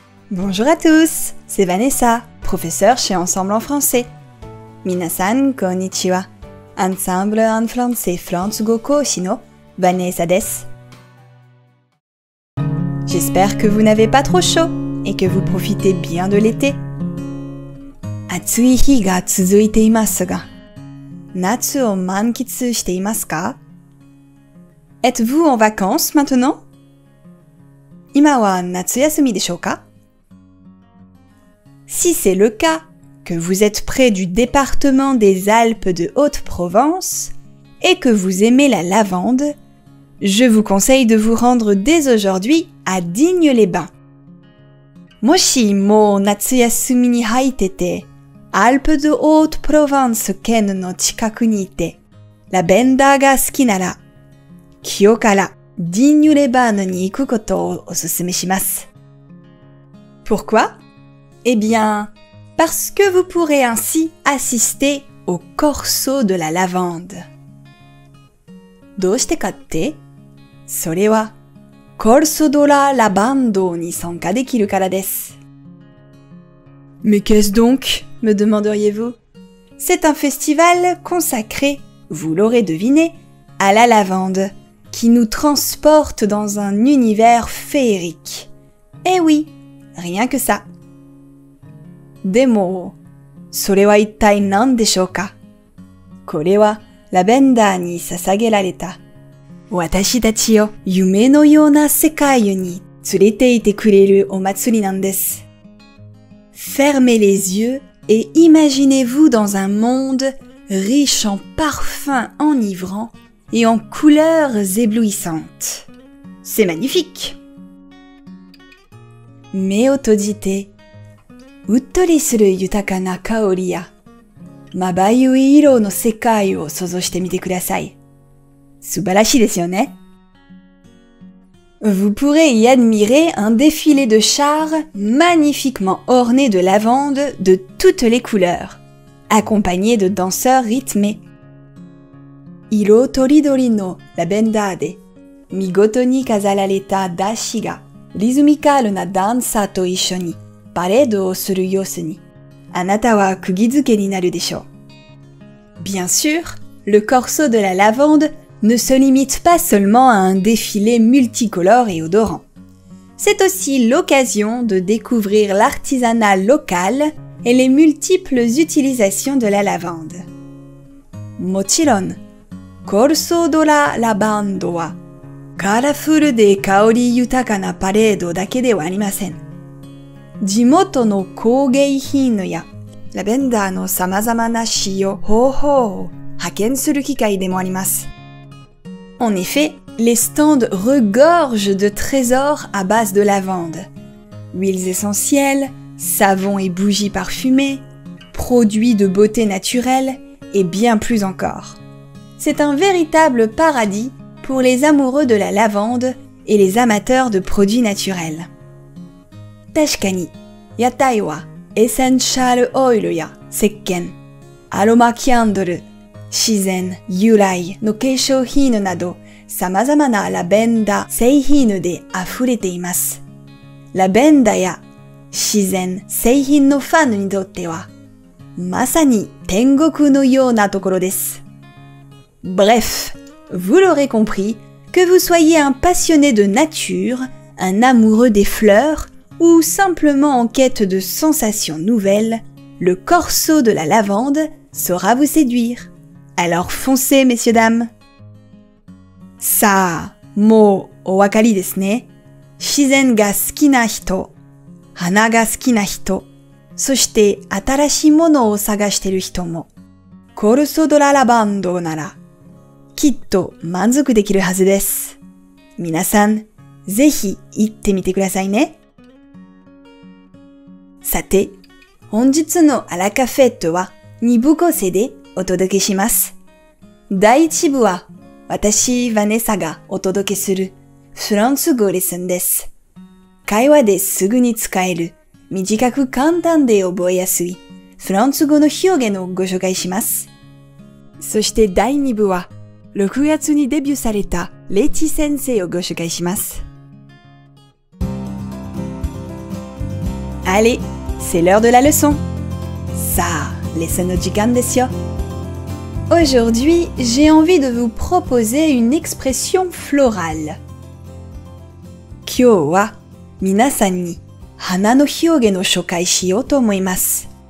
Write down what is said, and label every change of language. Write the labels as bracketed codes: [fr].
[fr] Bonjour à tous, c'est Vanessa, professeur chez Ensemble en français. [ja] 皆さんこんにちは。アンサンブルアンフランセフランス語講師のバネサです。 [fr] J'espère que vous n'avez pas trop chaud et que vous profitez bien de l'été. [ja] 暑い日が続いていますが、夏を満喫していますか? [fr] Êtes-vous en vacances maintenant? [ja] 今は夏休みでしょうか? [fr] Si c'est le cas, que vous êtes près du département des Alpes de Haute-Provence et que vous aimez la lavande,Je vous conseille de vous rendre dès aujourd'hui à Digne-les-Bains. [ja] もしもう夏休みに入ってて、アルプス・オート・プロヴァンス県の近くにいて、ラベンダーが好きなら、今日から Digne-les-Bains に行くことをおすすめします。 [fr] Pourquoi? Eh bien, parce que vous pourrez ainsi assister au corso de la lavande. [ja] どうしてかって? それは、コルソドララバンドに参加できるからです。 [fr] Mais qu'est-ce donc, me demanderiez-vous? C'est un festival consacré, vous l'aurez deviné, à la lavande, qui nous transporte dans un univers féerique. Eh oui, rien que ça. [ja] でも、それは一体何でしょうか? これは、ラベンダーに捧げられた。私たちを夢のような世界に連れていてくれるお祭りなんです。 [fr] Fermez les yeux et imaginez-vous dans un monde riche en parfums enivrants et en couleurs éblouissantes. C'est magnifique! [ja] 目を閉じて、うっとりする豊かな香りや、まばゆい色の世界を想像してみてください。素晴らしいですよね。 [fr] Vous pourrez y admirer un défilé de chars magnifiquement ornés de lavande de toutes les couleurs, accompagnés de danseurs rythmés. [ja] 色とりどりのラベンダーで、見事に飾られた山車が、リズミカルなダンサーと一緒にパレードをする様子に、あなたは釘付けになるでしょう。 [fr] Bien sûr, le corso de la lavande ne se limite pas seulement à un défilé multicolore et odorant. C'est aussi l'occasion de découvrir l'artisanat local et les multiples utilisations de la lavande. [ja] もちろん、コルソドラ・ラバンドはカラフルで香り豊かなパレードだけではありません。地元の工芸品やラベンダーの様々な使用方法を派遣する機会でもあります。 [fr] En effet, les stands regorgent de trésors à base de lavande. Huiles essentielles, savons et bougies parfumées, produits de beauté naturelle et bien plus encore. C'est un véritable paradis pour les amoureux de la lavande et les amateurs de produits naturels. [ja] 確かに、屋台は、エッセンシャルオイルや、石鹸、アロマキャンドル、自然、由来の化粧品など、様々なラベンダー製品で溢れています。ラベンダーや、自然、製品のファンにとっては、まさに天国のようなところです。 [fr] Bref, vous l'aurez compris, que vous soyez un passionné de nature, un amoureux des fleurs,ou simplement en quête de sensations nouvelles, le corso de la lavande saura vous séduire. Alors foncez, messieurs, dames! [ja] さあ、もうお分かりですね。自然が好きな人、花が好きな人、そして新しいものを探してる人も、コルソドララバンドなら、きっと満足できるはずです。皆さん、ぜひ行ってみてくださいね。さて、本日のアラカフェットは2部構成でお届けします。第1部は私、ヴァネサがお届けするフランス語レッスンです。会話ですぐに使える、短く簡単で覚えやすいフランス語の表現をご紹介します。そして第2部は、6月にデビューされたレチ先生をご紹介します。 [fr] Allez, c'est l'heure de la leçon. [ja] Ça, leçon au jikan desu yo. [fr] Aujourd'hui, j'ai envie de vous proposer une expression florale. [ja] Kyō wa minasan ni hana no hyōgen o shōkai shi yo to omoimasu.